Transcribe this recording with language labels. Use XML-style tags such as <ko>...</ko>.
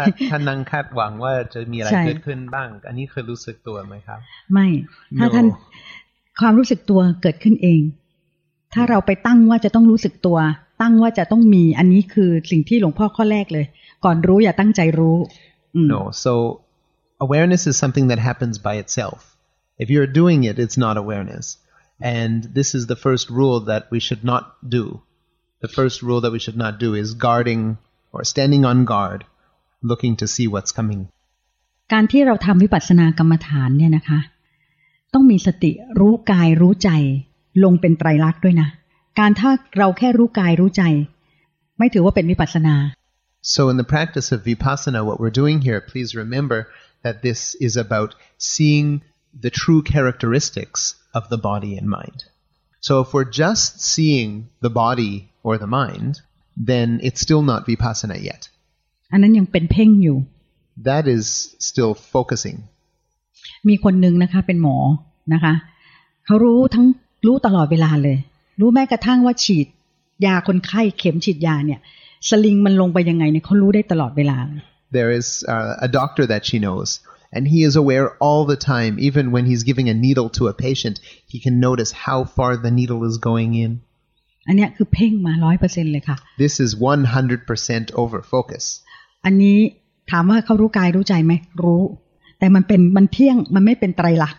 <th>ถ้านั่งคาดหวังว่าจะมีอะไรเกิดขึ้นบ้างอันนี้คือรู้สึกตัวไหมครับ ไม่ถ้าท่านความรู้สึกตัวเกิดขึ้นเองถ้าเราไปตั้งว่าจะต้องรู้สึกตัวตั้งว่าจะต้องมีอันนี้คือสิ่งที่หลวงพ่อข้อแรกเลยก่อนรู้อย่าตั้งใจรู้</th> <en>No. So awareness is something that happens by itself. If you're doing it, it's not awareness. And this is the first rule that we should not do. The first rule that we should not do is guarding or standing on guard, looking to see what's coming.</en> <th>การที่เราทำวิปัสสนากรรมฐานเนี่ยนะคะต้องมีสติรู้กายรู้ใจลงเป็นไตรลักษณ์ด้วยนะการถ้าเราแค่รู้กายรู้ใจไม่ถือว่าเป็นวิปัสสนา</th> <en>So in the practice of vipassana, what we're doing here, please remember that this is about seeing the true characteristics. Of the body and mind. So if we're just seeing the body or the mind, then it's still not vipassana yet.</en> <th>อันนั้นยังเป็นเพ่งอยู่</th> <en>That is still focusing.</en> <th>มีคนหนึ่งนะคะเป็นหมอนะคะเขารู้ทั้งรู้ตลอดเวลาเลยรู้แม้กระทั่งว่าฉีดยาคนไข้เข็มฉีดยาเนี่ยสลิงมันลงไปยังไงเนี่ยเขารู้ได้ตลอดเวลา</th> <en>There is a doctor that she knows. And he is aware all the time, even when he's giving a needle to a patient, he can notice how far the needle is going in.</en> <th>อันนี้คือเพ่งมา 100% เลยค่ะ</th> <en>This is 100% over focus.</en> <th>อันนี้ถามว่าเขารู้กายรู้ใจไหมรู้แต่มันเที่ยงมันไม่เป็นไตรลักษณ</th>